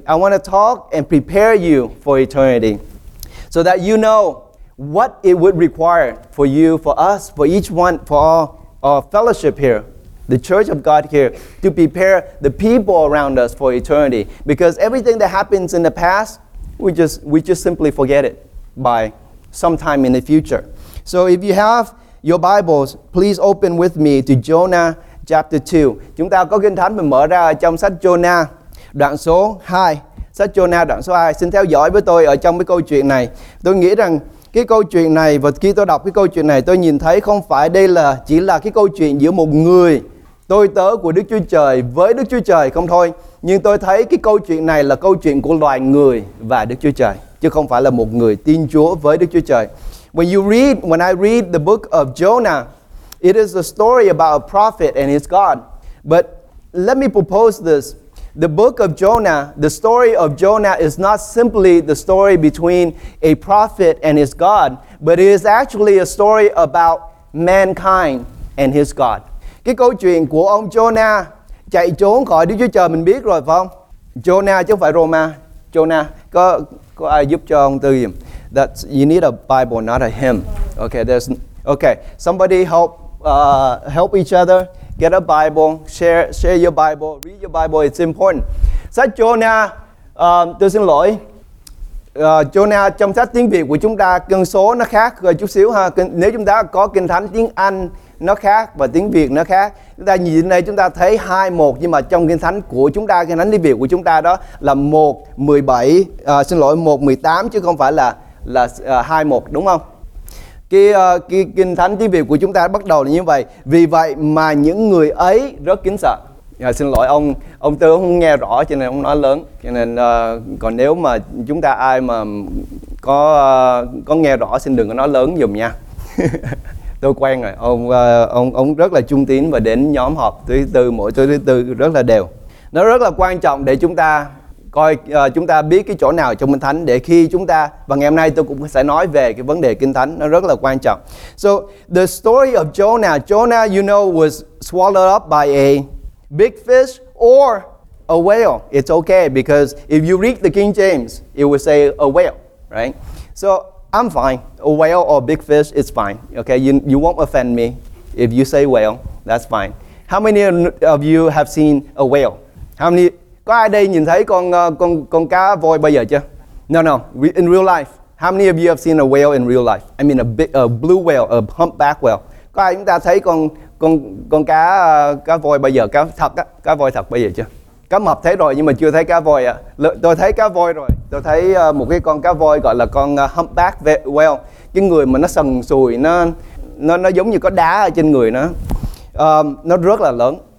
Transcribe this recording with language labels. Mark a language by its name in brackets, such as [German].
[English] I want to talk and prepare you for eternity so that you know what it would require for you, for us, for each one, for all our fellowship here, the church of God here, to prepare the people around us for eternity. Because everything that happens in the past, we just simply forget it by sometime in the future. So if you have your Bibles, please open with me to Jonah chapter 2. [Vietnamese] Chúng ta có kinh thánh mình mở ra trong sách Jonah đoạn số 2. Sách Jonah đoạn số 2. Xin theo dõi với tôi ở trong cái câu chuyện này. Tôi nghĩ rằng cái câu chuyện này, và khi tôi đọc cái câu chuyện này, tôi nhìn thấy không phải đây là chỉ là cái câu chuyện giữa một người tôi tớ của Đức Chúa Trời với Đức Chúa Trời không thôi. Nhưng tôi thấy cái câu chuyện này là câu chuyện của loài người và Đức Chúa Trời, chứ không phải là một người tin Chúa với Đức Chúa Trời. [English] When I read the book of Jonah, it is a story about a prophet and his God. But let me propose this. The book of Jonah, the story of Jonah is not simply the story between a prophet and his God, but it is actually a story about mankind and his God. [Vietnamese] Cái câu chuyện của ông Jonah chạy trốn khỏi Đức Chúa Trời mình biết rồi phải không? Jonah chứ không phải Roma. Jonah, có ai giúp cho ông Tư Diệm? [English] That you need a Bible, not a hymn. Okay, somebody help each other. Get a Bible, share your Bible, read your Bible, it's important. [Vietnamese] Sách Jonah, tôi xin lỗi. Jonah trong sách tiếng Việt của chúng ta, cân số nó khác rồi chút xíu ha. Nếu chúng ta có kinh thánh tiếng Anh, nó khác và tiếng Việt nó khác. Chúng ta nhìn đây chúng ta thấy 2:1, nhưng mà trong kinh thánh của chúng ta, kinh thánh tiếng Việt của chúng ta đó là 1:18 chứ không phải là 2:1, đúng không? Cái kinh thánh tiếng Việt của chúng ta bắt đầu là như vậy. Vì vậy mà những người ấy rất kính sợ. Xin lỗi ông Tư không nghe rõ cho nên ông nói lớn. Cho nên còn nếu mà chúng ta ai mà có nghe rõ xin đừng có nói lớn giùm nha. Tôi quen rồi. Ông rất là trung tín và đến nhóm họp thứ tư rất là đều. Nó rất là quan trọng để chúng ta coi chúng ta biết cái chỗ nào trong kinh thánh, để khi chúng ta, và ngày hôm nay tôi cũng sẽ nói về cái vấn đề kinh thánh, nó rất là quan trọng. [English] So the story of Jonah, you know, was swallowed up by a big fish or a whale. It's okay, because if you read the King James, it will say a whale, right? So I'm fine. A whale or a big fish, it's fine. Okay, you won't offend me if you say whale. That's fine. How many of you have seen a whale? How many? [Vietnamese] Có ai đây nhìn thấy con cá voi bao giờ chưa? [English] No. In real life, how many of you have seen a whale in real life? I mean a blue whale, a humpback whale. [Vietnamese] Có ai chúng ta thấy con cá cá voi bao giờ, cá thật á, cá voi thật bao giờ chưa? Cá mập thấy rồi nhưng mà chưa thấy cá voi ạ. Tôi thấy cá voi rồi. Tôi thấy một cái con cá voi gọi là con humpback whale. Cái người mà nó sần sùi, nó giống như có đá ở trên người nó. Nó rất là lớn.